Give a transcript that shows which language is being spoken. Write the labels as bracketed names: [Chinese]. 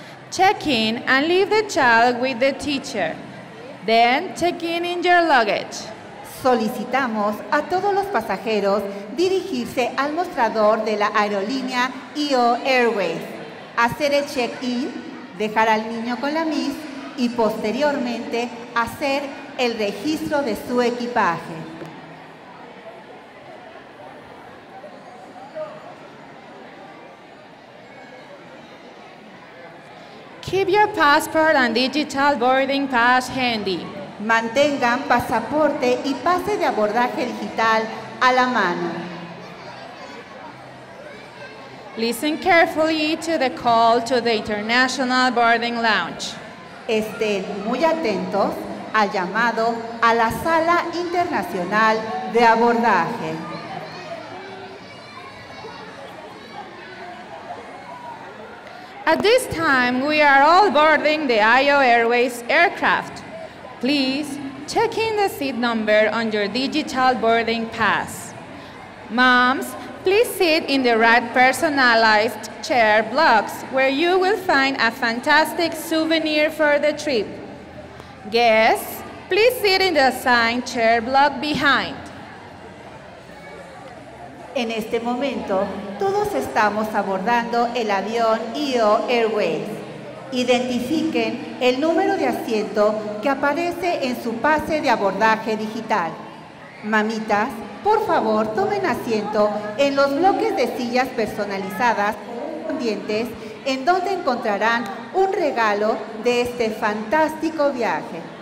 [English] Check in and leave the child with the teacher. Then check in your luggage. [Spanish] Solicitamos a todos los pasajeros dirigirse al mostrador de la aerolínea IO Airways, hacer el check-in, dejar al niño con la Miss y posteriormente hacer el registro de su equipaje. [English] Keep your passport and digital boarding pass handy. [Spanish] Mantengan pasaporte y pase de abordaje digital a la mano. [English] Listen carefully to the call to the International Boarding Lounge. [Spanish] Estén muy atentos al llamado a la sala internacional de abordaje. [English] At this time, we are all boarding the IO Airways aircraft. Please check in the seat number on your digital boarding pass. Moms, please sit in the right personalized chair blocks where you will find a fantastic souvenir for the trip. Guests, please sit in the assigned chair block behind. [Spanish] En este momento, todos estamos abordando el avión IO Airways. Identifiquen el número de asiento que aparece en su pase de abordaje digital. Mamitas, por favor, tomen asiento en los bloques de sillas personalizadas correspondientes, en donde encontrarán un regalo de este fantástico viaje.